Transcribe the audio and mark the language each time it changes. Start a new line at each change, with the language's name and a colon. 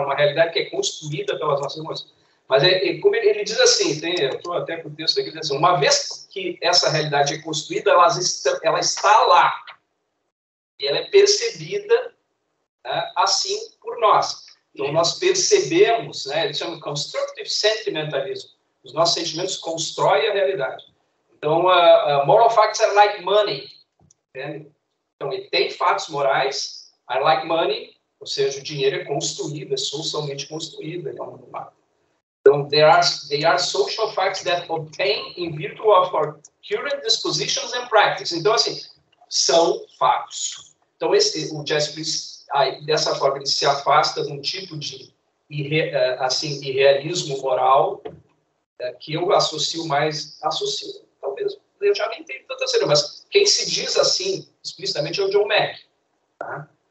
Portuguese: Uma realidade que é construída pelas nossas emoções. Mas como ele diz assim, eu estou até com o texto aqui, assim, uma vez que essa realidade é construída, ela está lá. E ela é percebida, né, assim por nós. Então, nós percebemos, né, ele chama constructive sentimentalism. Os nossos sentimentos constroem a realidade. Então,
English: moral facts are like money.
Portuguese: Entende? Então, ele tem fatos morais,
English: are like money,
Portuguese: ou seja, o dinheiro é construído, é socialmente construído. Então,
English: they are social facts that obtain in virtue of our current dispositions and practices.
Portuguese: Então, assim, são fatos. Então, o Jess Prince, dessa forma, ele se afasta de um tipo de irrealismo moral que eu associo, talvez, eu já nem tenho tanta certeza, mas quem se diz assim, explicitamente, é o John Mack. Tá?